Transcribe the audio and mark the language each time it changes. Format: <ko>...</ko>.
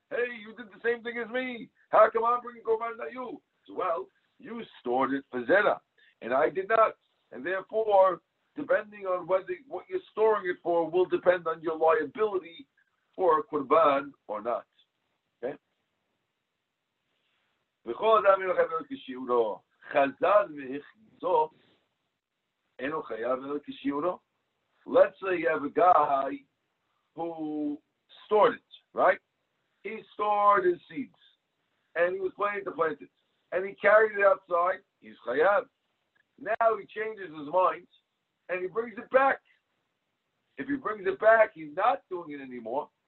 <en>Hey, you did the same thing as me. How come I'm bringing korban, not you? Well, you stored it for zera, and I did not. And therefore, depending on whether what you're storing it for will depend on your liability for korban or not.</en> <he>וכל אדם אינו חייב אלא כשיעורו, חזר והכניסו, אינו חייב אלא כשיעורו.</he> <en>Let's say you have a guy who stored it, right? He stored his seeds, and he was planning to plant it, and he carried it outside, he's chayav. Now he changes his mind, and he brings it back. If he brings it back, he's not doing it anymore.</en>